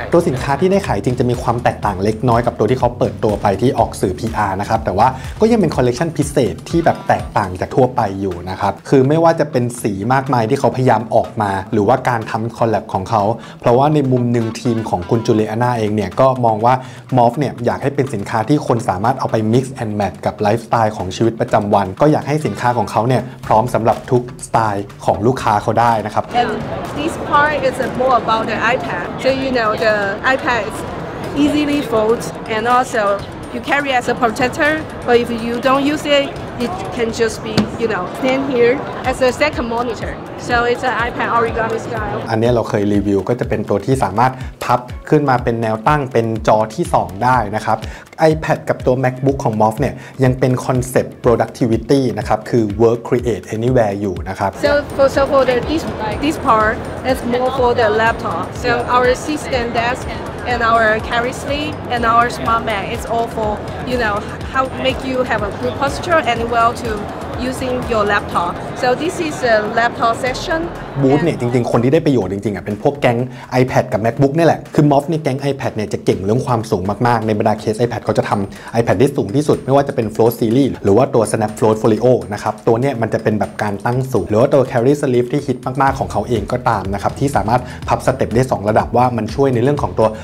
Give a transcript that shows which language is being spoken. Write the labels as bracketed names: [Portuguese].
[Thai] ตัวสินค้าที่ได้ขายจริงจะมีความแตกต่างเล็กน้อยกับตัวที่เขาเปิดตัวไปที่ออกสื่อ PR นะครับแต่ว่าก็ยังเป็นคอลเลกชันพิเศษที่แบบแตกต่างจากทั่วไปอยู่นะครับคือไม่ว่าจะเป็นสีมากมายที่เขาพยายามออกมาหรือว่าการทำคอลแลบของเขาเพราะว่าในมุมนึงทีมของคุณจูเลียน่าเองเนี่ยก็มองว่า Morph เนี่ยอยากให้เป็นสินค้าที่คนสามารถเอาไป Mix and Match กับไลฟ์สไตล์ของชีวิตประจำวันก็อยากให้สินค้าของเขาเนี่ยพร้อมสำหรับทุกสไตล์ของลูกค้าเขาได้นะครับ [English] It's more about the iPad. So you know, the iPad is easily fold, and also you carry as a protector. But if you don't use it, it can just be, you know, stand here as a second monitor. So it's an iPad origami [Thai] style. อันนี้เราเคยรีวิวก็จะเป็นตัวที่สามารถพับขึ้นมาเป็นแนวตั้งเป็นจอที่2ได้นะครับ iPad กับตัว MacBook ของ Morph เนี่ยยังเป็นคอนเซ็ปต์ productivity นะครับคือ [English] work create anywhere [Thai] อยู่นะครับ [English] So for this part is more for the laptop. So our assistant desk and our carry sleeve and our smart mat it's all for, you know, how make you have a good posture and well toUsing your laptop. So this is a laptop session. [Thai] บูธเนี่ยจริงๆคนที่ได้ประโยชน์จริงๆอ่ะเป็นพวกแก๊ง iPad กับ MacBook นี่แหละคือ Morph ในแก๊ง iPad เนี่ยจะเก่งเรื่องความสูงมากๆในบรรดาเคส iPad เขาจะทำ iPad ได้สูงที่สุดไม่ว่าจะเป็น Float Series หรือว่าตัว Snap Float Folio นะครับตัวเนี่ยมันจะเป็นแบบการตั้งสูงหรือว่าตัว Carry Sleeve ที่ฮิตมากๆของเขาเองก็ตามนะครับที่สามารถพับสเต็ปได้2ระดับว่ามันช่วยในเรื่องของตัว